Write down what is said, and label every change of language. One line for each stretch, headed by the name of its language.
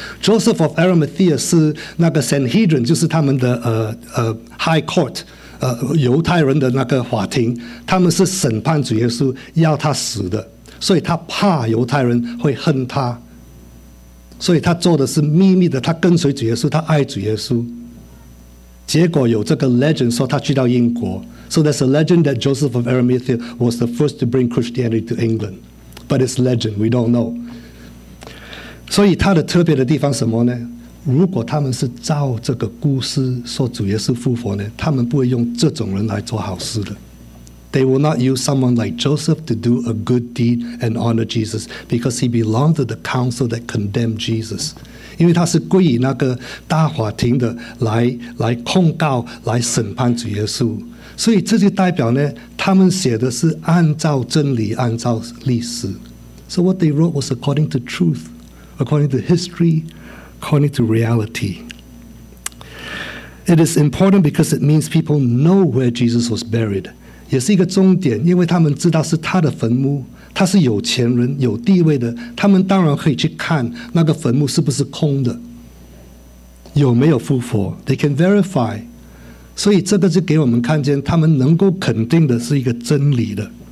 Chinese: Joseph of Arimathea 是那个 Sanhedrin, 就是他们的high court, 犹太人的那个法庭，他们是审判主耶稣，要他死的，所以他怕犹太人会恨他，所以他做的是秘密的，他跟随主耶稣，他爱主耶稣。结果有这个 legend 说他去到英国
English: So there's a legend that Joseph of Arimathea was the first to bring Christianity to England. But it's legend, we don't know.
Chinese: 所以他的特别的地方什么呢？如果他们是照这个故事说主耶稣复活呢，他们不会用这种人来做好事的。
English: They will not use someone like Joseph to do a good deed and honor Jesus because he belonged to the council that condemned Jesus.
Chinese: 因为他是归于那个大法庭的来控告来审判主耶稣，所以这就代表呢，他们写的是按照真理，按照历史。
English: So what they wrote was according to truth, according to history, according to reality. It is important because it means people know where Jesus was buried.
Chinese: 也是一个重点，因为他们知道是他的坟墓。他是有钱人有地位的，他们当然可以去看那个坟墓是不是空的，有没有复活，
English: they can verify。
Chinese: 所以这个就给我们看见他们能够肯定的是一个真理的。